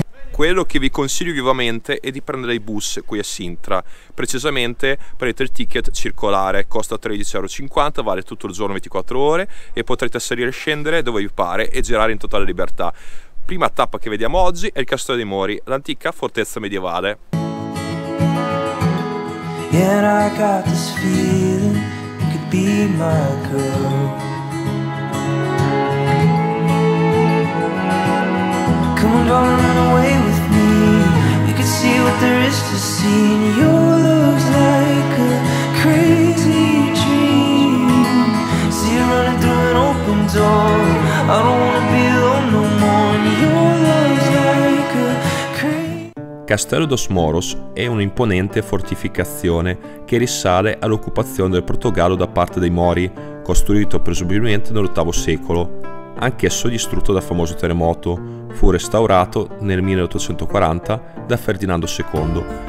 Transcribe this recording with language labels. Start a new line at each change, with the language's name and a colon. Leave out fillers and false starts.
Italian: Quello che vi consiglio vivamente è di prendere i bus qui a Sintra. Precisamente prendete il ticket circolare, costa 13,50 euro, vale tutto il giorno 24 ore e potrete salire e scendere dove vi pare e girare in totale libertà. Prima tappa che vediamo oggi è il Castello dei Mori, l'antica fortezza medievale.
English: And I got this feeling you could be my girl. Come on, don't run away with me. We could see what there is to see. And your looks like a crazy dream. See you running through an open door. I don't wanna be alone no more. And your looks like a
Italian: Castelo dos Moros è un'imponente fortificazione che risale all'occupazione del Portogallo da parte dei Mori, costruito presumibilmente nell'VIII secolo. Anch'esso distrutto dal famoso terremoto, fu restaurato nel 1840 da Ferdinando II.